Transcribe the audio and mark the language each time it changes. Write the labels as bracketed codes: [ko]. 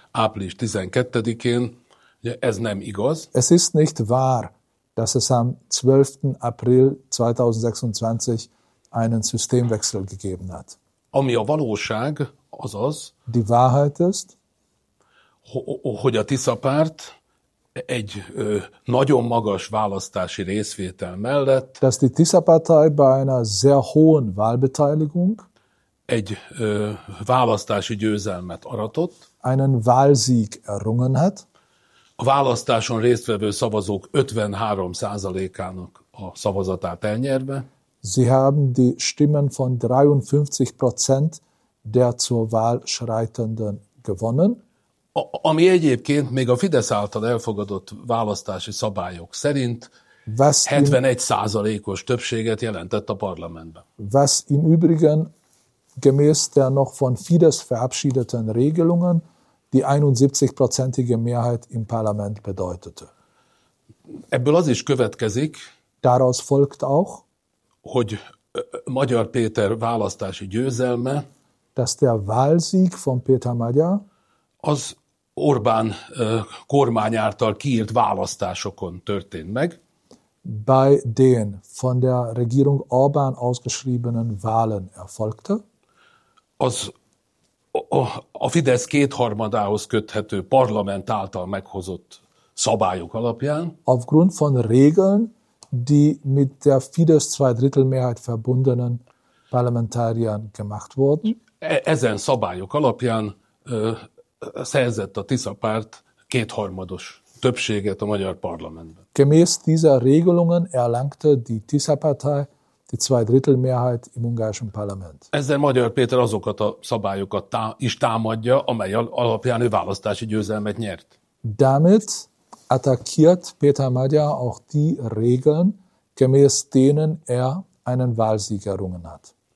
[hu] április 12-én, ez nem igaz. [de] Es ist nicht wahr, dass es am 12. April 2026 einen Systemwechsel gegeben hat. [hu] Ami a valóság, azaz, [de] die Wahrheit ist, [hu] hogy a Tisza párt egy nagyon magas választási részvétel mellett, [de] dass die Tisza Partei bei einer sehr hohen Wahlbeteiligung [hu] egy választási győzelmet aratott, [de] einen Wahlsieg errungen hat. [hu] A választáson résztvevő szavazók 53%-ának a szavazatát elnyerve. [de] Sie haben die Stimmen von 53% der zur Wahl schreitenden gewonnen. [hu] Ami egyébként még a Fidesz által elfogadott választási szabályok szerint 71%-os többséget jelentett a parlamentben. [de] Was im Übrigen gemäß der noch von Fidesz verabschiedeten Regelungen die 71%-ige Mehrheit im Parlament bedeutete. [hu] Ebből az is következik, [de] daraus folgt auch, [hu] hogy Magyar Péter választási győzelme, [de] dass der Wahlsieg von Péter Magyar, [hu] az Orbán kormány által kiírt választásokon történt meg, [de] bei den von der Regierung Orbán ausgeschriebenen Wahlen erfolgte, [hu] az a Fidesz kétharmadához köthető parlament által meghozott szabályok alapján, [de] aufgrund von Regeln, die mit der Fidesz Zweidrittelmehrheit verbundenen Parlamentariern gemacht wurden, [hu] ezen szabályok alapján szerzett a Tisza párt kétharmados többséget a magyar parlamentben. [de] Gemäß dieser Regelungen erlangte die Tisza Partei die Zweidrittelmehrheit im ungarischen Parlament. [hu] Ezzel Magyar Péter azokat a szabályokat is támadja, amely alapján ő választási győzelmet nyert. [de] Damit attackiert Péter Magyar auch die Regeln, gemäß denen einen Wahlsieg errungen hat.